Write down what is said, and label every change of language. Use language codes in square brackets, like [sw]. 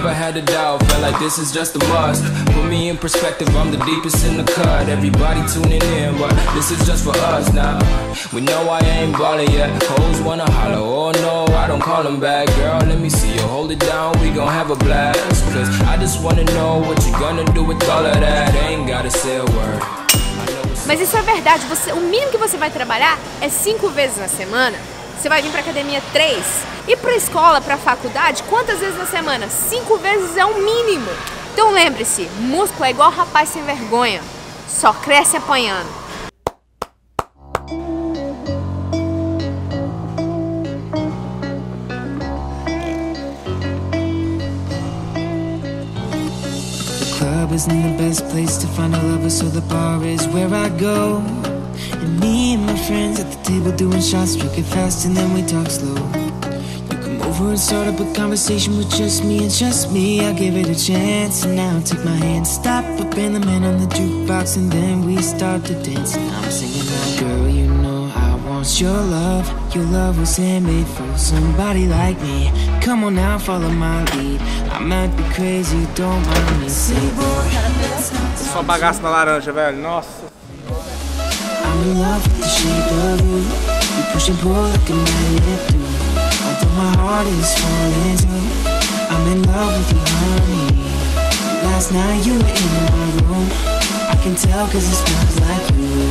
[en] A doubt, felt like this is just a must. Put me in perspective, I'm the deepest in the cut. Everybody tuning in, but this is just for us now. We know I ain't ballin' yet. Hoes wanna holler, oh no, I don't call them back. Girl, let me see you hold it down, we gon' have a blast. Cause I just wanna know what you gonna do with all of that. Ain't gotta say a word. [pt] Mas isso é verdade, você, o mínimo que você vai trabalhar é 5 vezes na semana. Você vai vir pra academia 3. E pra escola, pra faculdade, quantas vezes na semana? 5 vezes é o mínimo. Então lembre-se, músculo é igual rapaz sem vergonha. Só cresce apanhando. [en] The club isn't the best place to find a lover, so the bar is where I go. And me and my friends at the table doing shots, drink it fast and then we talk slow. You come over and start up a conversation with just me and just me. I give it a chance and now take my hand, stop up and the man on the jukebox and then we start to dance. And I'm singing now, girl, you know I want your love. Your love was handmade for somebody like me. Come on now, follow my lead. I might be crazy, don't mind me. Say, boy, [pt] só bagaço na laranja, velho, nossa. [en] I'm in love with the shape of you. You push and pull like a magnet do. Although my heart is falling too, I'm in love with you, honey. Last night you were in my room. I can tell cause it smells like you.